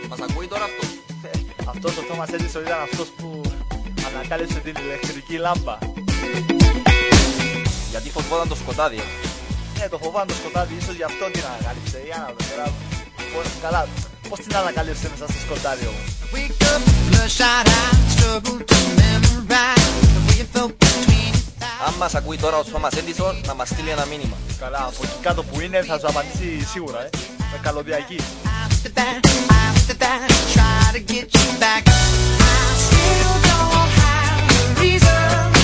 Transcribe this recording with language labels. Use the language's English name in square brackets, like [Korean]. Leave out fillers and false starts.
[Greek] Μας ακούει τώρα αυτός? Αυτός ο Τόμας Έντισον ήταν αυτός που ανακάλυψε την ηλεκτρική λάμπα. Γιατί φοβόταν το σκοτάδι? Ναι, το φοβόταν το σκοτάδι, ίσως γι' αυτό την ανακάλυψε. Για να δω καλά, πώς την ανακάλυψε μέσα στο σκοτάδι όμως? [English] Wake up, blush-out eyes, struggle to memorize the way you felt between your thighs. [Greek] Αν μας ακούει τώρα ο Thomas Edison, να μας στείλει ένα μήνυμα. Καλά, από εκεί κάτω που είναι θα σου απαντήσει σίγουρα, με καλωδιακή. [English] After that, try to get you back. I still don't have the reason.